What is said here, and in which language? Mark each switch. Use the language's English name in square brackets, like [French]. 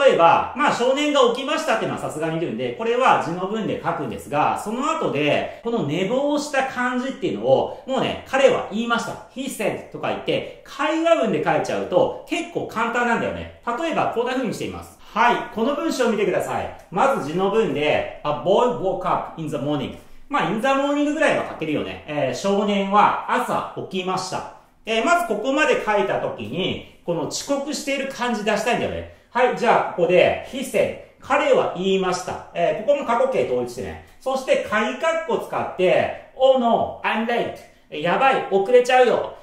[Japanese] 例えば、まあ少年が起きましたっていうのはさすがにいるんで、これは字の文で書くんですが、その後でこの寝坊した感じっていうのをもうね、彼は言いました。 [English] He said [Japanese] とか言って会話文で書いちゃうと結構簡単なんだよね。例えばこんな風にしています。はい、この文章を見てください。 [English] まず字の文で A boy woke up in the morning。 [Japanese] まあ、 [English] in the morning [Japanese] ぐらいは書けるよね。少年は朝起きました。まずここまで書いたときに、この遅刻している感じ出したいんだよね。はい、じゃあここで、 [English] he said、 [Japanese] 彼は言いました。ここも過去形統一してね。そして、仮括弧使って、 [English] oh no, I'm late。 [Japanese] やばい、遅れちゃうよ。